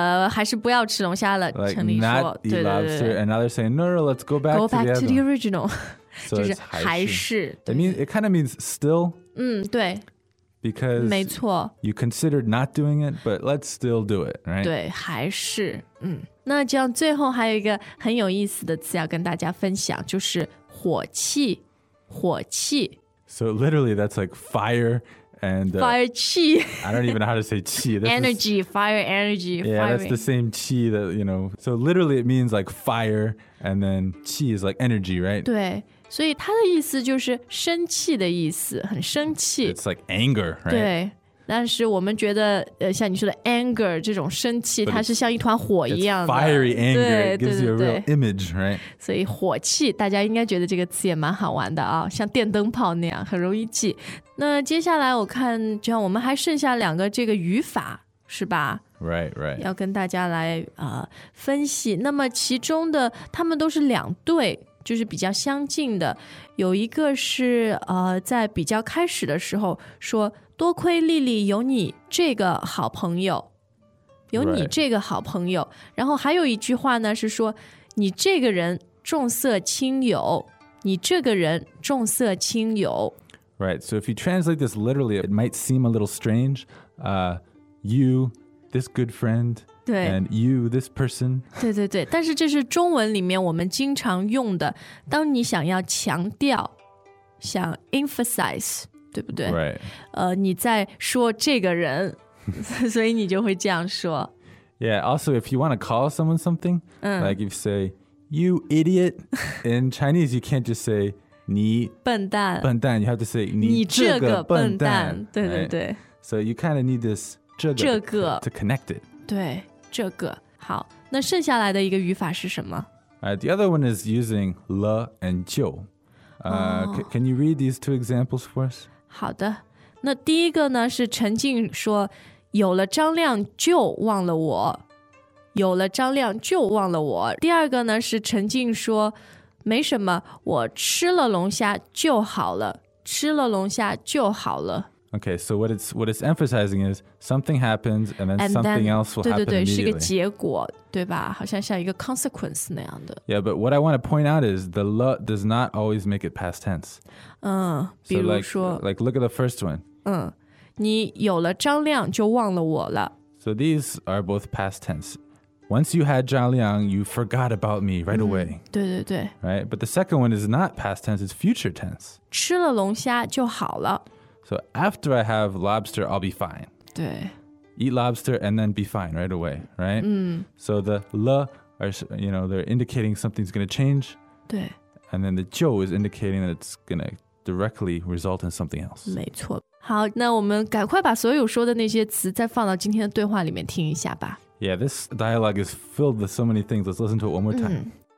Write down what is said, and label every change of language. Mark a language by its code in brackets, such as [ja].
[zh] 还是不要吃龙虾了, [en] like, [zh] 陈丽说, [en] not eat lobster. [zh] 对对对, [en] and now they're saying, no, let's go back, to the original. So it's 还是。 I mean, it kind of means still. [zh] 对。 [en] Because [zh] 没错, [en] you considered not doing it, but let's still do it, right? [zh] 对,还是。那这样最后还有一个很有意思的词要跟大家分享,就是火气,火气。 [en] So literally that's like fire and... fire 气。 I don't even know how to say 气. Energy, fire energy. Yeah, firing. That's the same 气 that, you know... So literally it means like fire and then 气 is like energy, right? [zh] 对。所以它的意思就是生气的意思，很生气。 [en] It's like anger, right? [zh] 对，但是我们觉得，像你说的 anger 这种生气，它是像一团火一样的。 [en] It's fiery anger, it gives you a real image, right? [zh] 所以火气，大家应该觉得这个词也蛮好玩的啊，像电灯泡那样，很容易记。那接下来我看，就像我们还剩下两个这个语法，是吧？ [en] Right, right. [zh] 要跟大家来分析。那么其中的，他们都是两对，就是比较相近的。有一个是在比较开始的时候说，多亏莉莉有你这个好朋友，有你这个好朋友。 [en] Right. [zh] 然后还有一句话呢，是说你这个人重色轻友，你这个人重色轻友。 [en] Right, so if you translate this literally, it might seem a little strange. You... This good friend, and you, this person. [zh] 对对对，但是这是中文里面我们经常用的。当你想要强调，想 emphasize, 对不对？ [en] Right. [zh] 你在说这个人，所以你就会这样说。 [en] Yeah, also if you want to call someone something, like if you say, you idiot, in Chinese you can't just say, 你 [zh] 笨蛋。 [en] 笨蛋, you have to say, 你 [zh] 这个笨蛋。笨蛋，对对对。 [en] Right? So you kind of need this, [zh] 这个 [en] to connect it. [zh] 对,这个。好，那剩下来的一个语法是什么？ [en] The other one is using 了 and 就。 Can you read these two examples for us? [zh] 好的，那第一个呢是陈静说，有了张亮就忘了我。有了张亮就忘了我。第二个呢是陈静说，没什么，我吃了龙虾就好了。吃了龙虾就好了。 [en] Okay, so what it's emphasizing is something happens and then something else will happen immediately. [zh] 是个结果，对吧？好像像一个 consequence 那样的。 [en] Yeah, but what I want to point out is the 了 does not always make it past tense. [zh] 比如说 [en] like look at the first one. [zh] 你有了张亮就忘了我了。 [en] So these are both past tense. Once you had Zhang Liang, you forgot about me right away. [zh] 对对对。 [en] Right, but the second one is not past tense, it's future tense. [zh] 吃了龙虾就好了。 [en] So after I have lobster, I'll be fine. [zh] 对。 [en] Eat lobster and then be fine right away, right? So the 了 are, you know, they're indicating something's going to change. [zh] 对。 [en] And then the 就 is indicating that it's going to directly result in something else. [zh] 没错。好，那我们赶快把所有说的那些词再放到今天的对话里面听一下吧。 [en] Yeah, this dialogue is filled with so many things. Let's listen to it one more time.